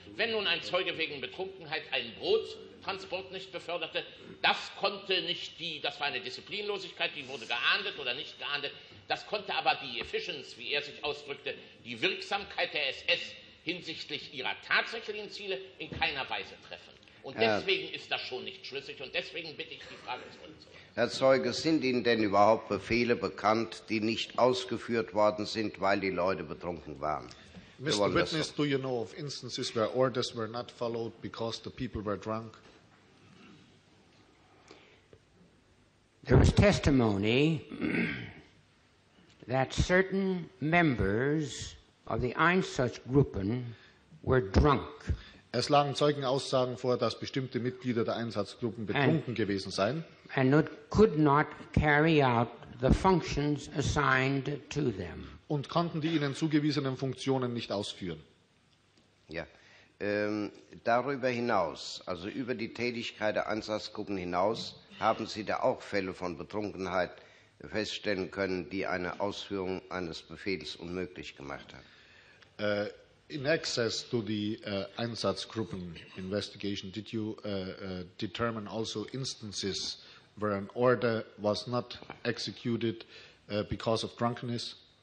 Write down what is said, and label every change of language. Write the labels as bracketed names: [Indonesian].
[German] Wenn nun ein Zeuge wegen Betrunkenheit einen Brottransport nicht beförderte, das konnte nicht die, das war eine Disziplinlosigkeit, die wurde geahndet oder nicht geahndet, das konnte aber die Efficiency, wie er sich ausdrückte, die Wirksamkeit der SS hinsichtlich ihrer tatsächlichen Ziele in keiner Weise treffen. Und deswegen ist das schon nicht schlüssig und deswegen bitte ich die Frage zurückzuholen. Herr Zeuge, sind Ihnen denn überhaupt Befehle bekannt, die nicht ausgeführt worden sind, weil die Leute betrunken waren? [English] Mr. Witness, do you know of instances where orders were not followed because the people were drunk? There was testimony that certain members of the Einsatzgruppen were drunk. [German] Es lagen Zeugenaussagen vor, dass bestimmte Mitglieder der Einsatzgruppen betrunken gewesen seien. [English] And could not carry out the functions assigned to them. [German] Und konnten die ihnen zugewiesenen Funktionen nicht ausführen. Ja. Darüber hinaus, also über die Tätigkeit der Einsatzgruppen hinaus, haben Sie da auch Fälle von Betrunkenheit feststellen können, die eine Ausführung eines Befehls unmöglich gemacht haben? [English] In access to the Einsatzgruppen investigation, did you determine also instances where an order was not executed because of drunkenness?